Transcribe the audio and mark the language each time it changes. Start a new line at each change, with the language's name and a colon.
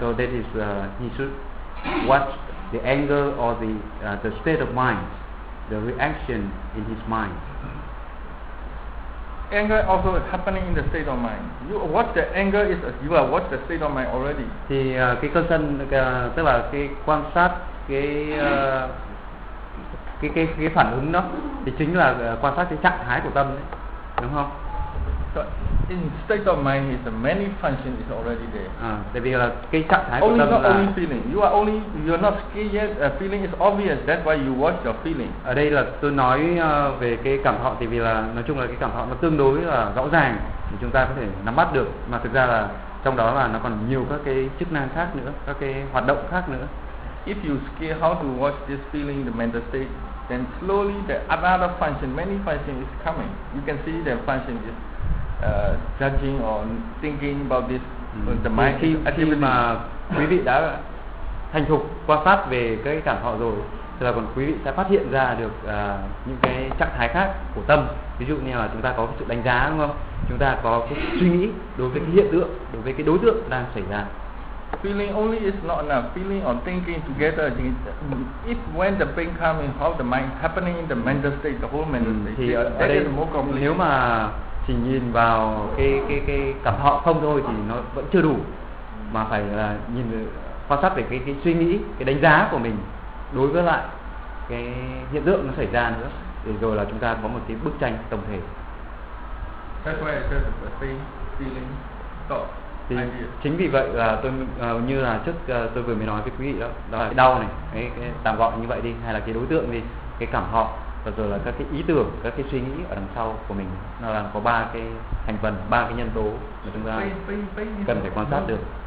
English: So that is he should watch the anger or the state of mind, the reaction in his mind. Anger also is happening in the state of mind. You watch the anger is you are watch the state of mind already.
Vietnamese: Thì cái cơn sân tức là cái quan sát cái phản ứng đó thì chính là quan sát cái trạng thái của tâm đấy. Đúng không?
English: So in state of mind is the many function is already there.
Vietnamese: Tại vì là cái trạng thái
English: only
Vietnamese: của tâm là
English: only feeling. You are not scared yet. Feeling is obvious. That's why you watch your feeling.
Vietnamese: Ở đây là tôi nói về cái cảm thọ, tại vì là nói chung là cái cảm thọ nó tương đối là rõ ràng thì chúng ta có thể nắm bắt được, mà thực ra là trong đó là nó còn nhiều các cái chức năng khác nữa, các cái hoạt động khác nữa.
English: If you scared how to watch this feeling the mental state, then slowly the another function, many function is coming. You can see the function is judging or thinking about this. The mind
Vietnamese: khi,
English: activity.
Vietnamese: Khi mà quý vị đã thành thục quan sát về cái cảm thọ rồi, thì là còn quý vị sẽ phát hiện ra được những cái trạng thái khác của tâm. Ví dụ như là chúng ta có sự đánh giá đúng không? Chúng ta có cái suy nghĩ đối với cái hiện tượng, đối với cái đối tượng đang xảy ra.
English: Feeling only is not enough. Feeling or thinking together, if when the pain coming, how the mind happening in the mental state, the whole mental state.
Vietnamese: Thì
English: that is more complicated.
Vietnamese: Nếu mà chỉ nhìn vào cái cảm thọ không thôi thì nó vẫn chưa đủ, mà phải là nhìn quan sát về cái suy nghĩ, cái đánh giá của mình đối với lại cái hiện tượng nó xảy ra nữa, để rồi là chúng ta có một cái bức tranh tổng thể.
English: That's why I said the pain, feeling, thought.
Vietnamese: Thì chính vì vậy là tôi như là trước tôi vừa mới nói với quý vị đó, đó là cái đau này, cái tạm gọi như vậy đi, hay là cái đối tượng đi, cái cảm họ, và rồi là các cái ý tưởng, các cái suy nghĩ ở đằng sau của mình, nó là có ba cái thành phần, ba cái nhân tố mà chúng ta cần phải quan sát được.